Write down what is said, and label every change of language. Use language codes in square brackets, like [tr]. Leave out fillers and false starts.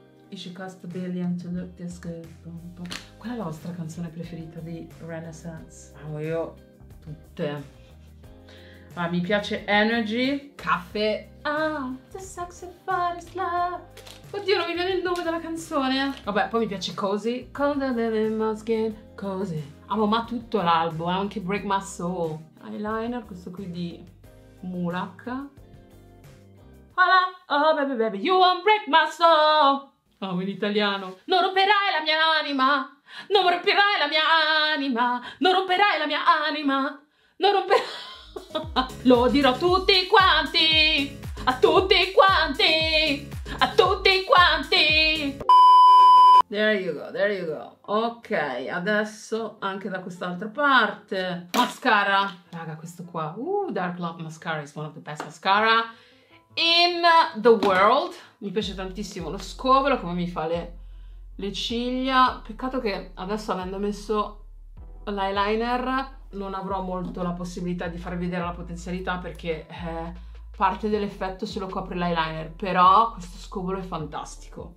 [en] It should cost a billion to look this good. [it] Qual è la vostra canzone preferita di Renaissance? Amo io tutte. Ah, mi piace Energy, Caffè. Ah, [en] the saxophone is love. [it] Oddio, non mi viene il nome della canzone. Vabbè, poi mi piace Cozy. [en] Colder than my skin, [it] Cozy. Amo ma tutto l'album, anche Break My Soul. Eyeliner, questo qui di Mulak. [en] Oh baby baby, you won't break my soul. [it] Amo in italiano. Non romperai la mia anima. Non romperai la mia anima. Non romperai la mia anima. Non romperai. Lo dirò a tutti quanti, a tutti quanti, a tutti quanti. [en] There you go, there you go. [it] Ok, adesso anche da quest'altra parte. Mascara. Raga, questo qua. [en] Dark Love Mascara is one of the best mascara in the world. [it] Mi piace tantissimo lo scovolo, come mi fa le ciglia. Peccato che adesso, avendo messo l'eyeliner, non avrò molto la possibilità di far vedere la potenzialità, perché parte dell'effetto se lo copre l'eyeliner, però questo scovolo è fantastico.